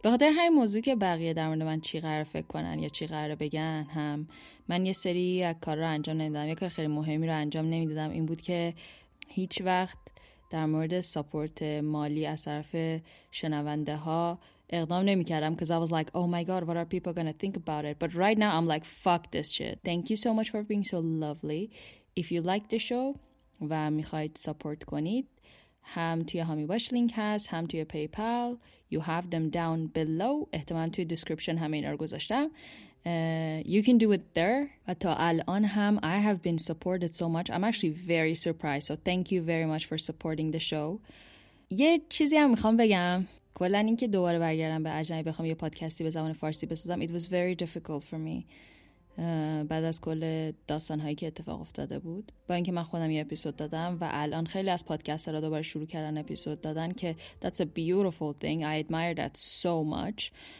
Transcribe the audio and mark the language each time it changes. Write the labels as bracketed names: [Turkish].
[Persian] به خاطر همین موضوع که بقیه در مورد من چی قراره فکر کنن یا چی قراره بگن، هم من یه سری کار رو انجام نمیدادم، یه کار خیلی مهمی رو انجام نمیدادم، این بود که هیچ وقت در مورد ساپورت مالی از طرف شنونده ها اقدام نمی کردم، [English] because I was like, oh my god, what are people gonna think about it? But right now I'm like, fuck this shit. Thank you so much for being so lovely. If you like the show [Persian] و میخواید سپورت کنید، هم توی همی باش لینک هست، هم توی پیپال، [English] you have them down below، [Persian] احتمال توی دسکریپشن همه اینا رو گذاشتم، [English] you can do it there. [Persian] و تا الان هم [English] I have been supported so much. I'm actually very surprised. So thank you very much for supporting the show. [Persian] یه چیزی هم میخوام بگم، کلن این که دوباره برگردم به اجنبی بخوام یه پادکستی به زبان فارسی بسازم، [English] it was very difficult for me [Persian] بعد از کل داستان‌هایی که اتفاق افتاده بود، با اینکه من خودم یه اپیزود دادم و الان خیلی از پادکست‌ها رو دوباره شروع کردن اپیزود دادن، که [English] that's a beautiful thing, I admire that so much.